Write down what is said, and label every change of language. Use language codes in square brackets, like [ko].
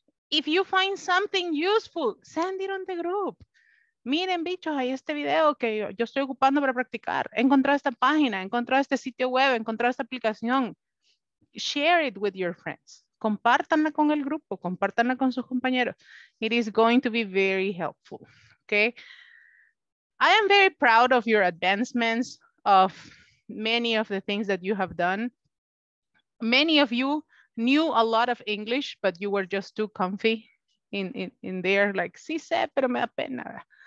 [en] If you find something useful, send it on the group. [es] Miren, bichos, hay este video que yo estoy ocupando para practicar. He encontrado esta página, he encontrado este sitio web, he encontrado esta aplicación. [en] Share it with your friends. [es] Compártanla con el grupo, compártanla con sus compañeros. [en] It is going to be very helpful, okay? I am very proud of your advancements, of many of the things that you have done. Many of you knew a lot of English, but you were just too comfy in there, like, [es] sí sé, pero me da pena.